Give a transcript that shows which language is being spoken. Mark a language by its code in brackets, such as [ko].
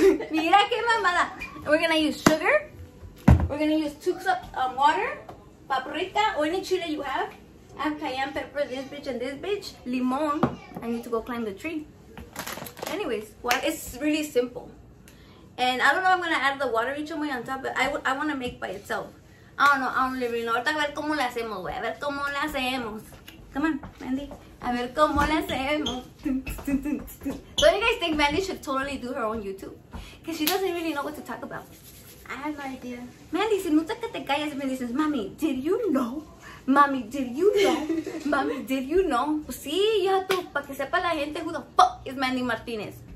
[es] Mira que mamada. [en] We're gonna use sugar. We're gonna use 2 cups of water. Paprika or any chili you have. I have cayenne pepper, this bitch and this bitch. Limon. I need to go climb the tree. Anyways, well, it's really simple. And I don't know if I'm gonna add the watery chamoy on top, but I wanna make by itself. I don't know, I don't really know. [es] A ver cómo la hacemos, güey. A ver cómo la hacemos. [en] Come on, Mandy. [es] A ver cómo la hacemos. [en] Don't you guys think Mandy should totally do her own YouTube? Because she doesn't really know what to talk about. I have no idea. Mandy, [es] si no te que te calles, [en] Mandy says, Mami, did you know? Mami, did you know? [es] Mami, [en] did you know? [es] Sí, ya tú, para que sepa la gente [en] who the fuck is [es] Mandy Martinez.